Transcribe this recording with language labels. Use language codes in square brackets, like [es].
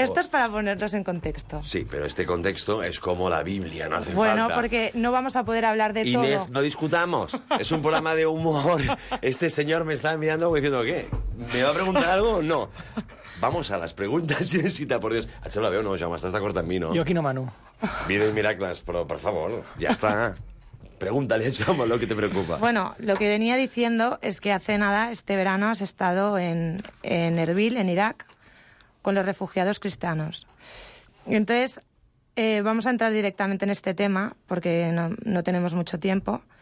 [es] Esto es para ponernos en contexto. Sí, pero este contexto es como la Biblia, no hace bueno, falta. Bueno, porque no vamos a poder hablar de Inés, todo. No discutamos, es un programa de humor. Este señor me está mirando como diciendo, ¿qué? ¿Me va a preguntar algo? No. Vamos a las preguntas, Inésita, por Dios. A la veo, [ca] no, Jaume, estás d'acord amb mi, no? Jo aquí no, Manu. Vida y miracles, però, per favor, ja està. [es] Pregúntale, Jaume, lo que te preocupa. Bueno, lo que venía diciendo es que hace nada, este verano, has estado en Erbil, en Irak, con los refugiados cristianos. Y entonces... vamos a entrar directamente en este tema, porque no tenemos mucho tiempo.